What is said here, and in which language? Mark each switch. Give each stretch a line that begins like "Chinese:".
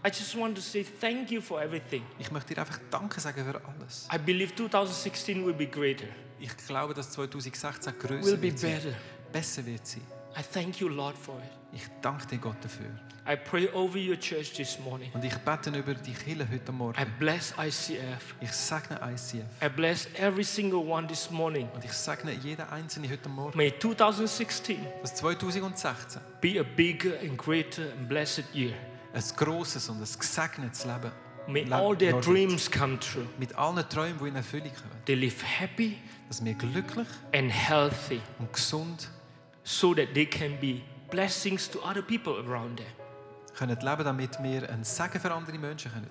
English: I just want to say thank you for everything.
German: Ich möchte dir einfach danke sagen für alles.
English: I believe 2016 will be greater.
German: Ich glaube, dass 2016 größer wird.
English: Be better.
German: Besser wird sie.
English: I thank you, Lord, for it.
German: Ich danke dir Gott dafür.
English: I pray over your church this morning.
German: Und ich bete über die Kirche heute Morgen.
English: I bless ICF.
German: Ich segne ICF.
English: I bless every single one this morning.
German: Und ich segne jeden einzelnen heute Morgen.
English: May 2016.
German: Das 2016.
English: Be a bigger and greater and blessed year.
German: Ein grosses und ein gesegnetes Leben.
English: May all their dreams come true.
German: Mit allen Träumen, die in Erfüllung kommen.
English: They live happy.
German: Dass wir glücklich.
English: And healthy.
German: Und gesund.
English: So that they can be blessings to other people around them.
German: können leben, damit wir ein Segen für andere Menschen können.